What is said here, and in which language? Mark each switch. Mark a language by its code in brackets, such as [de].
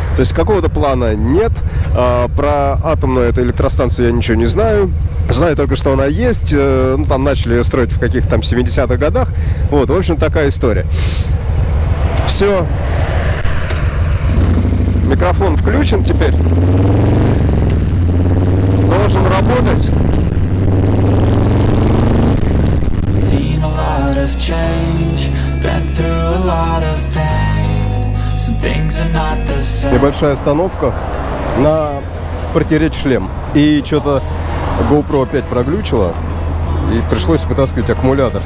[ru] То есть какого-то плана нет. Про атомную эту электростанцию я ничего не знаю. Знаю только, что она есть. Ну, там начали ее строить в каких-то там 70-х годах. Вот, в общем, такая история. Все. Микрофон включен теперь. [en] Seen a lot of change, been through a lot of pain. Some things are not the same. [ru] Небольшая остановка на протереть шлем. И что-то GoPro опять проглючило. И пришлось вытаскивать аккумулятор.